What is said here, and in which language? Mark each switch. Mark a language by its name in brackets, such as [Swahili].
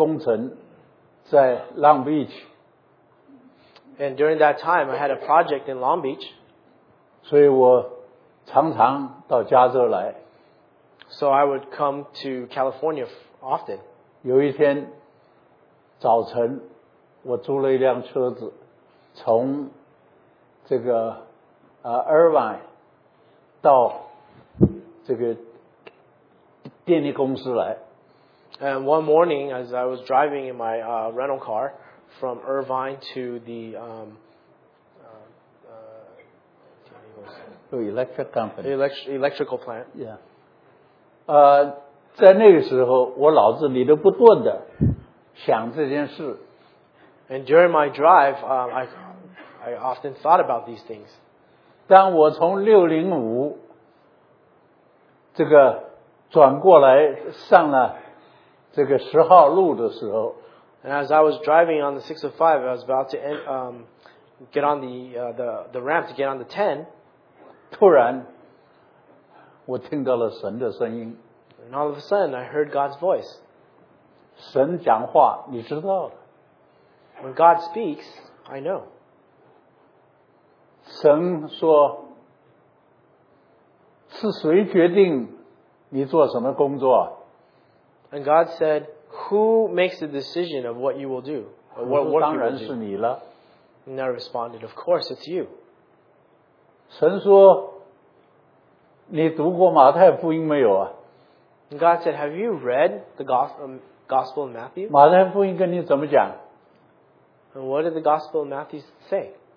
[Chinese] 我那个时候有一个工程在Long Beach. [English] And during that time, I had a project in Long Beach. [Chinese] 所以我常常到加州来。 [English] So I would come to California often. [Chinese] 有一天, 早晨, 我租了一辆车子, 从这个, Irvine 到这个电力公司来。 [English] And one morning, as I was driving in my rental car from Irvine to the electrical plant. Yeah. [Chinese] 在那个时候, 我脑子里都不断的。想这件事, [English] and during my drive, I often thought about these things. [Chinese] 当我从605 这个转过来上了这个10号路的时候, [English] and as I was driving on the 605, I was about to get on the ramp to get on the 10. [Chinese] 突然，我听到了神的声音. [English] And all of a sudden, I heard God's voice. [Chinese] 神讲话, [English] when God speaks, I know. [Chinese] 神说, 是谁决定你做什么工作? [English] And God said, who makes the decision of what you will do? What work you will do? And I responded, of course, it's you. [Chinese] 神说, 你读过马太福音没有啊? [English] And God said, have you read the Gospel of Matthew? [Chinese] 马太福音跟你怎么讲? [English] And what did the Gospel of Matthew say?